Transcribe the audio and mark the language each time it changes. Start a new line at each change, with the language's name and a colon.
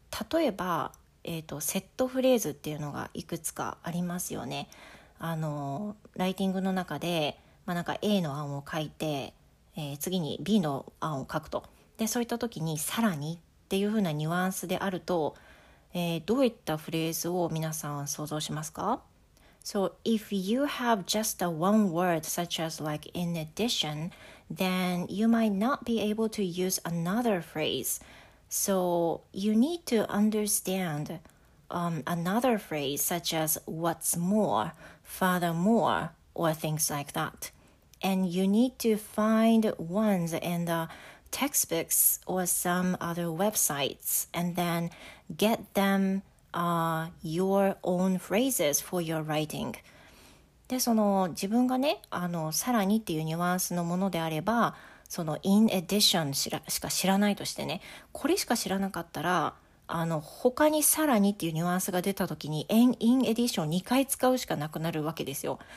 Japanese: 例えば、セットフレーズっていうのがいくつかありますよね。ライティングの中で、なんか A の案を書いて、次に B の案を書くと。で、そういった時にさらにっていうふうなニュアンスであると、どういったフレーズを皆さん想像しますか？
English: So if you have just a one word such as like in addition, then you might not be able to use another phrase. So you need to understand another phrase such as what's more, furthermore, or things like that. And you need to find ones in the textbooks or some other websites and then get them your own phrases for your writing.
Japanese: で、その自分がね、さらにっていうニュアンスのものであれば、その in addition しか知らないとしてね、これしか知らなかったら、他にさらにっていうニュアンスが出た時に in addition を2回使うしかなくなるわけですよ。